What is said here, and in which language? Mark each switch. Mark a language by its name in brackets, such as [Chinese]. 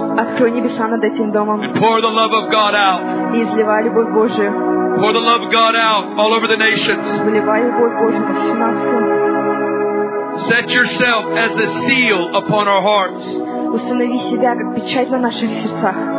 [Russian] Открой небеса над этим домом. [English] And pour the love of God out. [Russian] И изливай любовь Божию. [English] Pour the love of God out all over the nations. [Russian] Изливай любовь Божию по всем нациям. [English] Set yourself as a seal upon our hearts. [Russian] Установи себя как печать на наших сердцах.